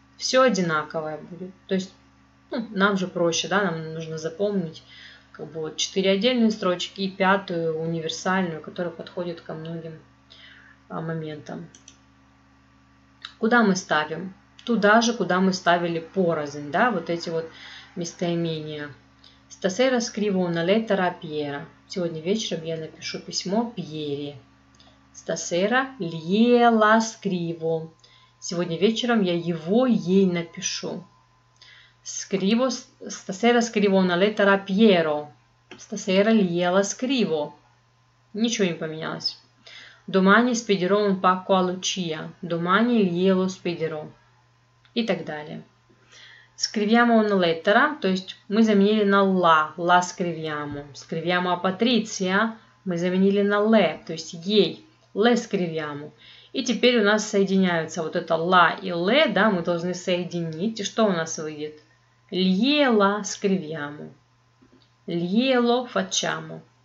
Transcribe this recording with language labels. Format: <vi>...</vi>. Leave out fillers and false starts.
<ru>Все одинаковое будет. То есть ну, нам же проще, да, нам нужно запомнить как бы, вот, четыре отдельные строчки и пятую универсальную, которая подходит ко многим моментом. Куда мы ставим? Туда же, куда мы ставили порознь, да, вот эти вот местоимения.</ru> <it>Stasera scrivo una lettera a Piera.</it> <ru>Сегодня вечером я напишу письмо Пьере.</ru> <it>Stasera gliela scrivo.</it> <ru>Сегодня вечером я его ей напишу.</ru> <it>Scrivo, stasera scrivo una lettera a Piero. Stasera gliela scrivo.</it> <ru>Ничего не поменялось.</ru> <it>Domani spedirò un pacco a Lucia. Domani glielo spedirò.</it> <ru>И так далее.</ru> <it>Scriviamo una lettera,</it> <ru>то есть мы заменили на</ru> <it>la, la scriviamo. Scriviamo a Patrizia,</it> <ru>мы заменили на le, то есть ей,</ru> <it>le scriviamo.</it> <ru>И теперь у нас соединяются вот это la и le, да, мы должны соединить. И что у нас выйдет?</ru> <it>Glielo scriviamo. Glielo facciamo.</it>